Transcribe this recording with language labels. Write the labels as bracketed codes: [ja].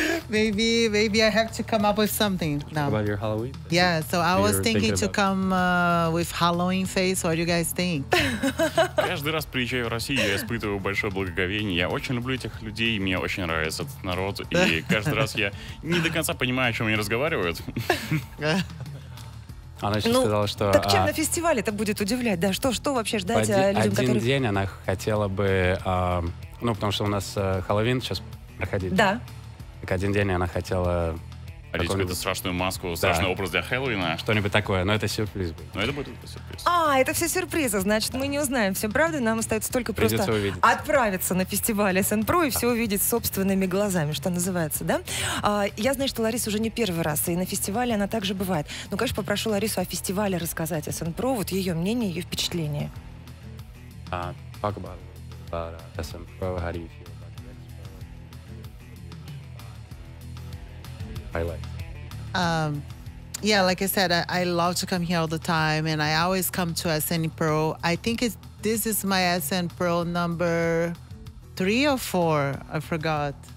[en] maybe I have to come up with something now. About your Halloween? Yeah, so I was thinking to come with Halloween face. What do you guys think? [ru] Каждый раз приезжаю в Россию, я испытываю большое благоговение. Я очень люблю этих людей, мне очень нравится этот народ. И каждый раз я не до конца понимаю, о чем они разговаривают. Она еще сказала, что... Так чем на фестивале это будет удивлять? Да что вообще ждать людям, которые... Один день она хотела бы... Ну, потому что у нас Хэллоуин сейчас проходит. Да. Так один день она хотела... Одеть какую-то страшную маску, страшный образ для Хэллоуина. Что-нибудь такое, но это сюрприз будет. Но это будет сюрприз. Это все сюрпризы, значит, мы не узнаем все правды, нам остается только просто отправиться на фестиваль СН-ПРО и все увидеть собственными глазами, что называется, да? Я знаю, что Лариса уже не первый раз, и на фестивале она также бывает. Ну, конечно, попрошу Ларису о фестивале рассказать СН-ПРО, вот ее мнение, ее впечатление. [en] Talk about it. SM Pro, how do you feel about the expo? Highlight. Like I said, I love to come here all the time, and I always come to SN Pro. I think this is my SN Pro number 3 or 4. I forgot.